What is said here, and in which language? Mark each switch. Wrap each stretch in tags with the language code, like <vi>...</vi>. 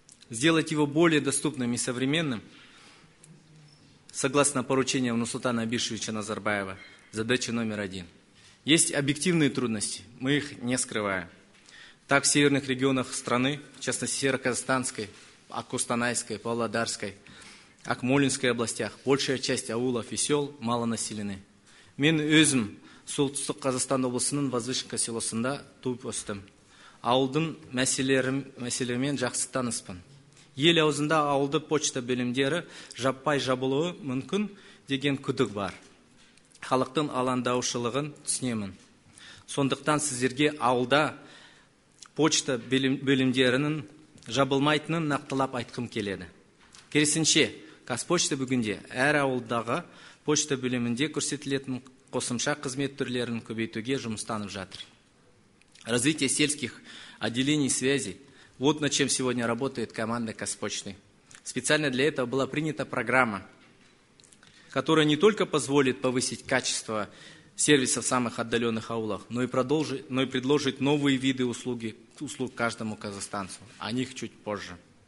<ru>Сделать его более доступным и современным, согласно поручениям Нурсултана Абишевича Назарбаева, задача номер один. Есть объективные трудности, мы их не скрываем. Так, в северных регионах страны, в частности, Северо-Казахстанской, Кустанайской, Павлодарской, Акмолинской областях, большая часть аулов и сел малонаселены.</ru> <kk>Мен өзім солтүстік Казахстан облысының Возвышенка селосында туып өстім. Ауылдың мәселемен жақсы таныспын. Ел аузында ауылды почта бөлімдері жаппай жабылуы мүмкін деген күдік бар. Халықтың алаңдаушылығын түсінемін. Сондықтан сіздерге ауылда почта бөлімдерінің жабылмайтынын нақтылап айтқым келеді. Керісінше, Қазпочта бүгінде әр ауылдағы почта бөлімінде көрсетілетін қосымша қызмет түрлерін көбейтуге жұмыстанып жатыр.</kk> <ru>Развитие сельских отделений связи. Вот над чем сегодня работает команда «Казпочты». Специально для этого была принята программа, которая не только позволит повысить качество сервиса в самых отдаленных аулах, но и предложить новые виды услуг каждому казахстанцу. О них чуть позже.</ru>